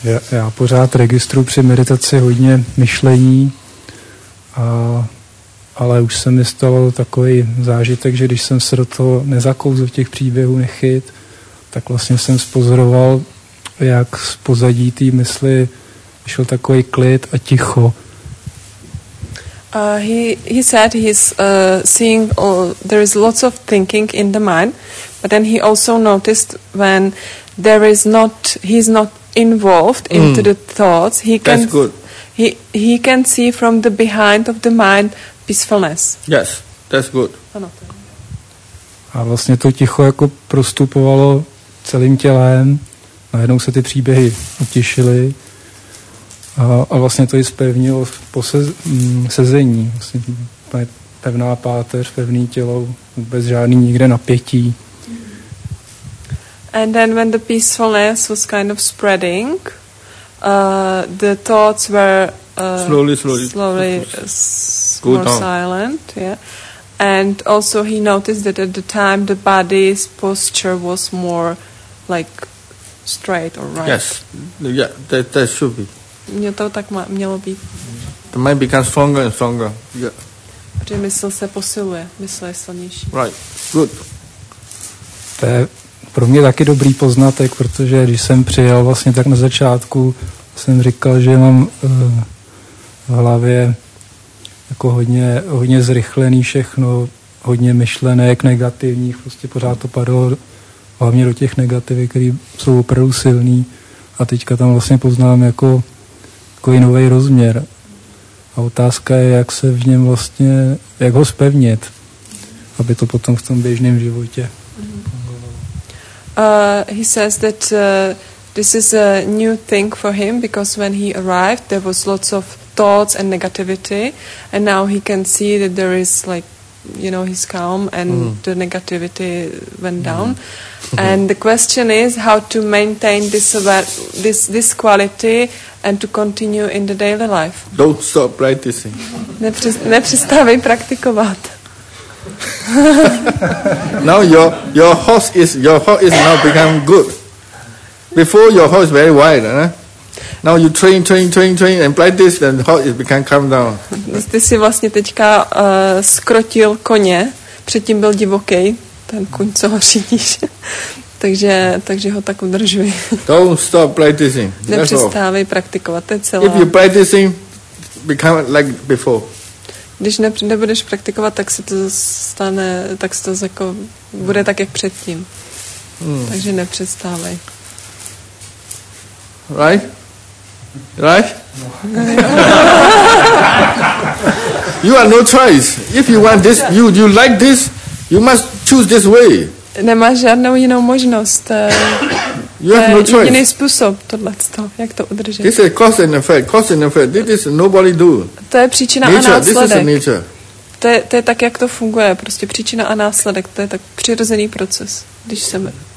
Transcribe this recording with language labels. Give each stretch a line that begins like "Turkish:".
Czech: Já pořád registruji při meditaci hodně myšlení, ale už se mi stalo takový zážitek, že když jsem se do toho nezakouzl, těch příběhů nechyt, tak vlastně jsem spozoroval, jak z pozadí té mysli šel takový klid a ticho.
English: He said he's seeing there is lots of thinking in the mind, but then he also noticed when there is not, he's not involved into the thoughts, he can see from the behind of the mind peacefulness. Yes, that's good.
Czech: A vlastně to ticho jako prostupovalo celým tělem, najednou se ty příběhy utišily a vlastně to i zpevnilo sezení, vlastně pevná páteř, pevný tělo, bez žádný nikde napětí.
English: And then when the peacefulness was kind of spreading, the thoughts were slowly silent. Yeah. And also he noticed that at the time the body's posture was more like straight or right. Yes, yeah, that should be.
Czech: Mělo to tak mělo být.
English: The mind becomes stronger and stronger. Yeah.
Czech: Protože mysl se posiluje, mysl je silnější.
English: Right, good.
Czech: Pro mě taky dobrý poznatek, protože když jsem přijel vlastně tak na začátku, jsem říkal, že mám v hlavě jako hodně zrychlený všechno, hodně myšlenek negativních, prostě pořád to padlo hlavně do těch negativ, které jsou opravdu silný, a teďka tam vlastně poznám jako takový nový rozměr. A otázka je, jak se v něm vlastně, jak ho zpevnit, aby to potom v tom běžném životě.
English: He says that this is a new thing for him because when he arrived there was lots of thoughts and negativity, and now he can see that there is like you know, he's calm and the negativity went down. And the question is how to maintain this quality and to continue in the daily life. Don't stop practicing.
Czech: Nepřestávej praktikovat.
English: Now your horse is now become good. Before your horse very wide, huh? Now you train and practice, then horse is become calm down.
Czech: Ty si vlastně teďka skrotil koně, předtím byl divoký, ten kuň, co ho řídíš. takže ho tak udržuje.
English: Don't stop practicing.
Czech: Nepřestávej praktikovat, to je celé.
English: If you practicing, become like before.
Czech: Když nebudeš praktikovat, tak se to stane, tak se to jako bude tak, jak předtím. Takže nepřestávej.
English: Right? You are no choice. If you want this, you like this, you must choose this way.
Czech: Nemáš žádnou jinou možnost.
English: You have no choice.
Czech: Jiný způsob tohleto, jak to udržet.
English: This is cause and effect. This is nobody do.
Czech: To je příčina
English: nature,
Czech: a následek.
English: This is nature.
Czech: To je tak, jak to funguje. Prostě příčina a následek. To je tak přirozený proces, když se mi...